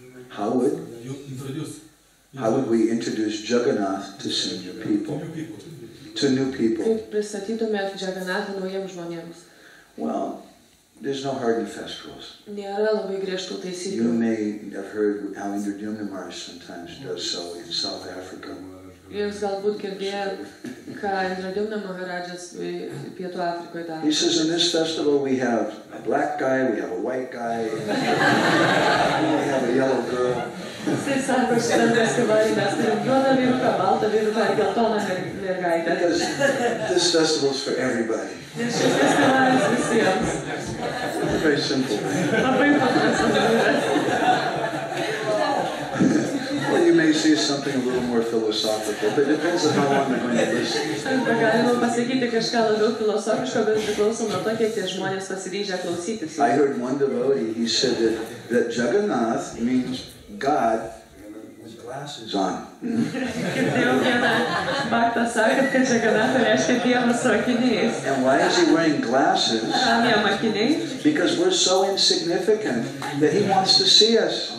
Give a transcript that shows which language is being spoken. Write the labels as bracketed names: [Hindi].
[English] How would you introduce to new people Jagannath? How would we introduce Jagannath to new people? To new people. [Lithuanian] Kaip pristatytumėt Jagannathą naujiems žmonėms? [English] Well, there's no hard and fast rules. [Lithuanian] Nėra labai griežtų taisyklių. [English] You may have heard how Indrajumna Maharaj sometimes does so in South Africa. [Lithuanian] Jūs galbūt girdėjo, ką Indradiumna Maharajas Pietų Afrikoje daro. [English] He says, in this festival we have a black guy, we have a white guy, we have a yellow girl. [Lithuanian] Jis sako, šiandien festivalį mes turim juodą vyruką, baltą vyruką, geltoną mergaitę. [English] Because this festival is for everybody. [Lithuanian] Nes šis festivalis visiems. [English] Very simple. [Lithuanian] Labai paprastas. [English] Well, you may see something a little more philosophical, but it depends on how long they're going to listen. [Lithuanian] Arba galima pasakyti kažką labiau filosofiško, bet priklauso nuo to, kiek tie žmonės pasiryžę klausytis. [English] I heard one devotee, he said that, that Jagannath means God with glasses on. And why is he wearing glasses? Because we're so insignificant that he wants to see us.